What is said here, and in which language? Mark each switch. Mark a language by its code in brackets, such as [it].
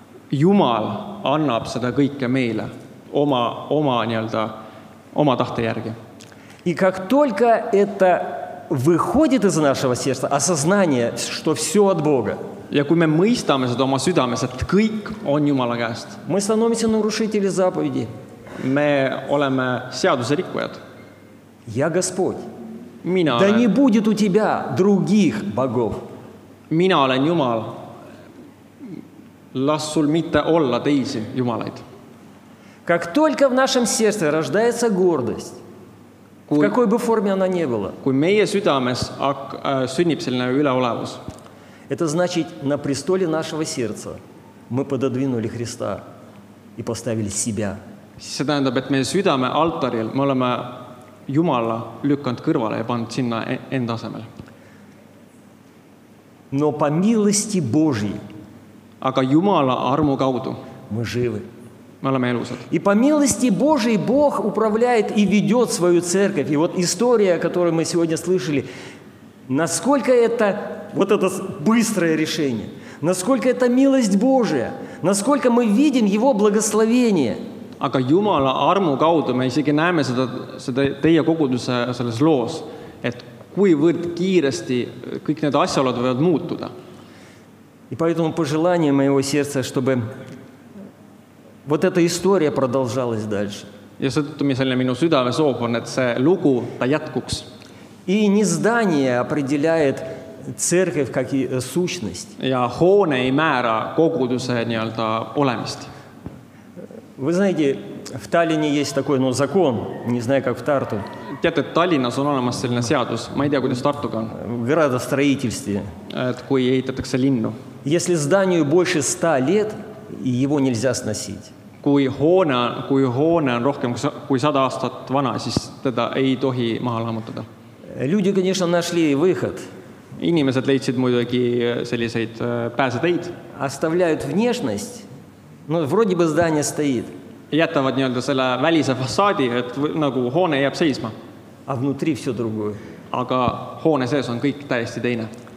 [et] Jumal annab seda kõike meile oma nii-öelda oma tahte järgi. [ru] И как только это выходит из нашего сердца осознание, что все от Бога. [et] Ja kui me mõistame seda oma südames, et kõik on Jumala käest. [ru] Мы становимся нарушители заповеди. [et] Me oleme seaduse rikkujad. [ru] Я Господь. [et] Mina olen. [ru] Да не будет у тебя других богов. [et] Mina olen Jumal. Las sul mitte olla teisi Jumalaid. [ru] Как только в нашем сердце рождается гордость, в какой бы форме она ни была. [et] Kui meie südames sünnib selline üleolevus. [ru] Это значит, на престоле нашего сердца мы пододвинули Христа и поставили себя. [et] See tähendab, et meie südame altaril me oleme Jumala lükkanud kõrvale ja pannud sinna enda asemel. [ru] Но по милости Божьей. [et] Aga Jumala armu kaudu. [ru] Мы живы. Мы [et] oleme elusad. [ru] И по милости Божьей Бог управляет и ведет свою церковь. И вот история, которую мы сегодня слышали, насколько это вот это быстрое решение, насколько это милость Божия, насколько мы видим Его благословение. [et] Aga Jumala armu kaudu me isegi näeme seda, seda teie koguduse selles loos, et kui võrd kiiresti kõik need asjalad võivad muutuda. [ru] И поэтому пожелание моего сердца, чтобы вот эта история продолжалась дальше. [et] Ja sõttu, mis selline minu südame soov on, et see lugu ta jätkuks. [ru] И не здание определяет церковь как сущность. [et] Ja hoone ei määra koguduse nii-öelda olemist. [ru] Вы знаете, в Таллине есть такой, ну, закон, не знаю, как в Тарту. [et] Teate, et Tallinnas on olemas selline seadus. Ma ei tea, kuidas Tartuga on. [ru] Градостроительстве. [et] Et kui ehitatakse linnu. [ru] Если зданию больше 100 лет, его нельзя сносить. [et] Kui hoone on rohkem kui 100 aastat vana, siis teda ei tohi maha lammutada. [ru] Люди, конечно, нашли выход. [et] Inimesed leidsid muidugi selliseid pääseteid. [ru] Оставляют внешность. Ну, вроде бы здание стоит. [et] Jätavad nii-öelda selle välise fassaadi, et nagu hoone jääb seisma. [ru] А внутри все другое. [et] Aga hoone sees on kõik täiesti teine.